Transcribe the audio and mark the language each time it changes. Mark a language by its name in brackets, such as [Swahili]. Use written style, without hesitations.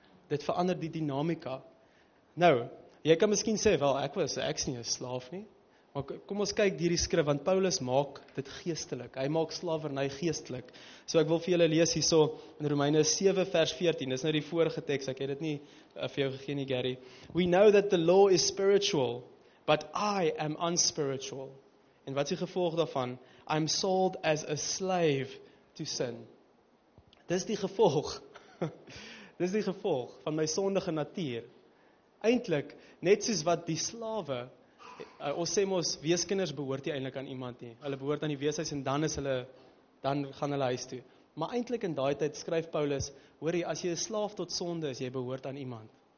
[Afrikaans] Dit verander die dinamika. Nou, jy kan miskien sê, wel, ek is nie 'n slaaf nie. Maar kom ons kyk hierdie skrif, want Paulus maak dit geestelik. Hy maak slavernij geestelik. So ek wil vir julle lees hierso in Romeine 7 vers 14. Dis nou die vorige tekst, ek het dit nie vir jou gegee nie, Gary. [English] We know that the law is spiritual, but I am unspiritual. [Afrikaans] En wat is die gevolg daarvan? [English] I'm sold as a slave to sin. [Afrikaans] Dis die gevolg. Dis die gevolg van my sondige natuur. Eintlik, net soos wat die slawe, ons sê mos, weeskinders behoort nie eintlik aan iemand nie. Hulle behoort aan die weeshuis en dan gaan hulle huis toe. Maar eintlik in daai tyd skryf Paulus, hoor jy, as jy 'n slaaf tot sonde is, jy behoort aan iemand.